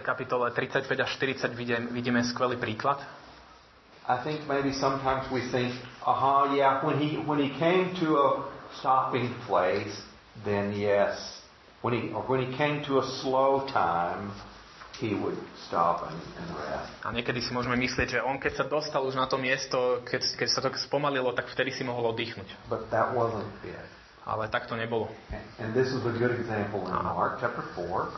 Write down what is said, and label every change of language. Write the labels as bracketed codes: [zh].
[sk] kapitole 35 až 40 vidíme skvelý príklad. [en] I think maybe sometimes we think, aha, yeah, when he came to a stopping place, then yes. When he came to a slow time, he would stop and rest. [sk] A niekedy si môžeme myslieť, že on keď sa dostal už na to miesto, keď sa to spomalilo, tak vtedy si mohol oddychnúť. [en] But that wasn't it. [sk] Ale tak to nebolo. [en] And this is a good example in Mark chapter 4.